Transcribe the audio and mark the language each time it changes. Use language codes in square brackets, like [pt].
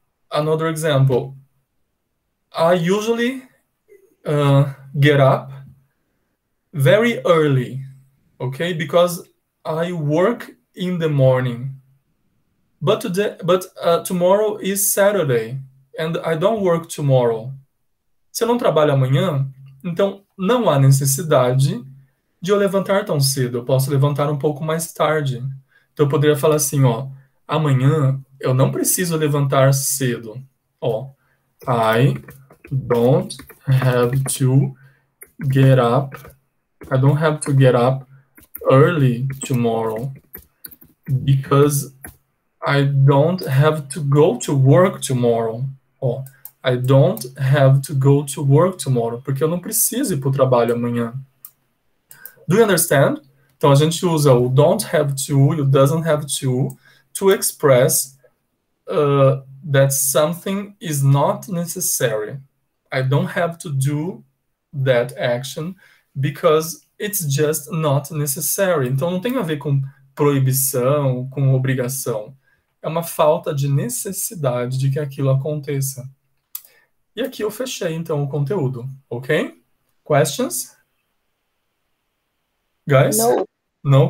[en] Another example. I usually get up very early, ok? Because I work in the morning. But today, tomorrow is Saturday, and I don't work tomorrow. [pt] Se eu não trabalho amanhã, então não há necessidade de eu levantar tão cedo. Eu posso levantar um pouco mais tarde. Então eu poderia falar assim, ó, amanhã eu não preciso levantar cedo. [en] Ó, I don't have to get up. I don't have to get up early tomorrow because I don't have to go to work tomorrow. Oh, I don't have to go to work tomorrow. [pt] Porque eu não preciso ir para o trabalho amanhã. [en] Do you understand? [pt] Então, a gente usa o [en] don't have to, o doesn't have to express that something is not necessary. I don't have to do that action because it's just not necessary. [pt] Então, não tem a ver com proibição, com obrigação. É uma falta de necessidade de que aquilo aconteça. E aqui eu fechei, então, o conteúdo. Ok? Questions? [en] Guys? No